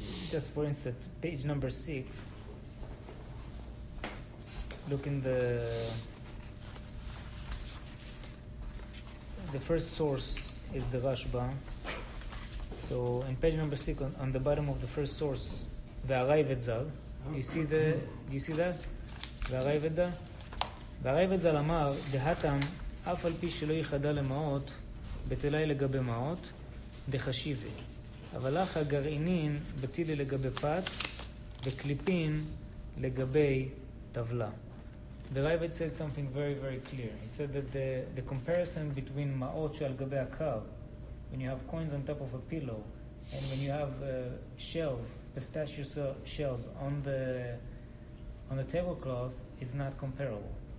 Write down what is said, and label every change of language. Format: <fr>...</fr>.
<en>Just for instance, page number 6, look in the first source is the Rashba. So in page number 6, on the bottom of the first source, Ve'arayvetzal, do you see that? Ve'arayvetzal?</en> <he>והרייבד זל אמר, דהתם, אף על פי שלא ייחדה למעות, בטלאי לגבי מעות, דחשיבי. אבל לך הגרעינין בטילי לגבי פת, וקליפין לגבי טבלה.</he> <en>The Rayved said something very, very clear. He said that the comparison between</en> <he>מעות שעל גבי הקר,</he> <en>when you have coins on top of a pillow, and when you have shells, pistachio shells on the tablecloth, it's not comparable.</en>